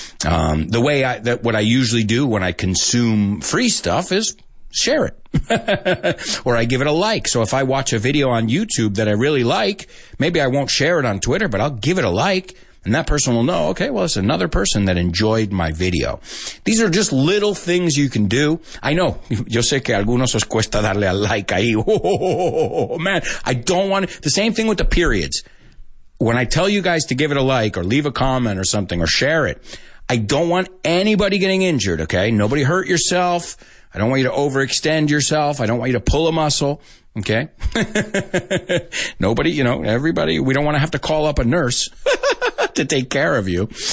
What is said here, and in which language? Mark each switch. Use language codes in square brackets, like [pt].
[en] What I usually do when I consume free stuff is share it or I give it a like. So if I watch a video on YouTube that I really like, maybe I won't share it on Twitter, but I'll give it a like and that person will know, okay, well, it's another person that enjoyed my video. These are just little things you can do. I know. [es] Yo sé que algunos os cuesta darle a like ahí. [en] Oh, man, I don't want the same thing with the periods. When I tell you guys to give it a like or leave a comment or something or share it, I don't want anybody getting injured, okay? Nobody hurt yourself. I don't want you to overextend yourself. I don't want you to pull a muscle, okay? Nobody, you know, everybody, we don't want to have to call up a nurse to take care of you.